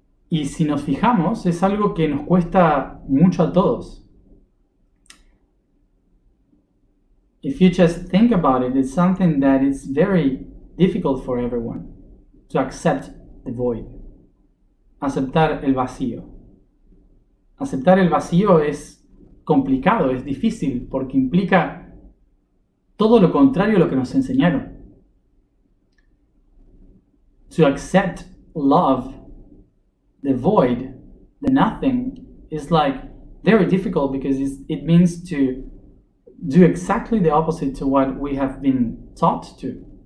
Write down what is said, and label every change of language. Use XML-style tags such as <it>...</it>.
<es>Y si nos fijamos, es algo que nos cuesta mucho a todos.</es> <en>If you just think about it, it's something that is very difficult for everyone to accept the void.</en> <es>Aceptar el vacío. Aceptar el vacío es complicado, es difícil, porque implica todo lo contrario a lo que nos enseñaron.</es> <en>To accept love, the void, the nothing, is like very difficult because it means to do exactly the opposite to what we have been taught to.</en>